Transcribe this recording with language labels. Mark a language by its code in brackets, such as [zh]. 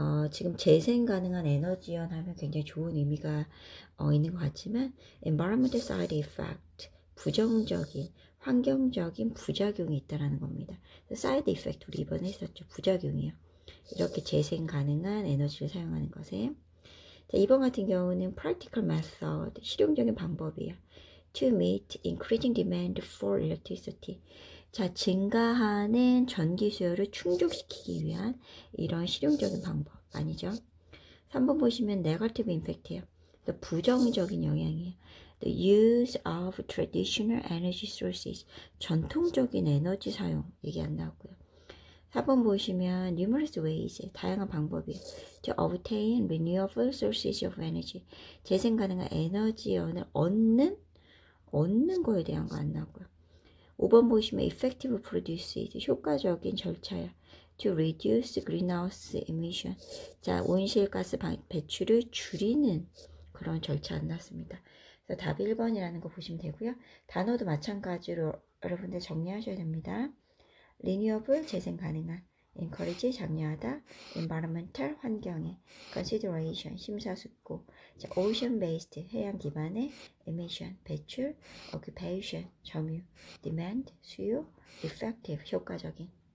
[ko] 지금 재생 가능한 에너지원 하면 굉장히 좋은 의미가 있는 것 같지만 [en] environmental side effect [ko] 부정적인 환경적인 부작용이 있다라는 겁니다. [en] side effect [ko] 우리 이번에 했었죠. 부작용이요. 이렇게 재생 가능한 에너지를 사용하는 것에 자, 이번 같은 경우는 [en] practical method, [ko] 실용적인 방법이에요. [en] To meet increasing demand for electricity. [ko] 자, 증가하는 전기 수요를 충족시키기 위한 이런 실용적인 방법 아니죠? 3번 보시면 [en] negative impact [ko] 예요. 부정적인 영향이에요. [en] The use of traditional energy sources. [ko] 전통적인 에너지 사용 얘기 안 나오고요. 4번 보시면 [en] numerous ways, [ko] 다양한 방법이 [en] to obtain renewable sources of energy, [ko] 재생 가능한 에너지원을 얻는 거에 대한 거안 나오고요. 5번 보시면 [en] effective produces, [ko] 효과적인 절차야. [en] to reduce greenhouse emission. [ko] 자, 온실가스 배출을 줄이는 그런 절차 안 났습니다. 그래서 답 1번이라는 거 보시면 되고요. 단어도 마찬가지로 여러분들 정리하셔야 됩니다. renewable 재생 가능한, encourage 장려하다, environmental 환경에, consideration 심사숙고, 자, ocean based 해양 기반의 emission 배출, occupation 점유, demand 수요, effective 효과적인,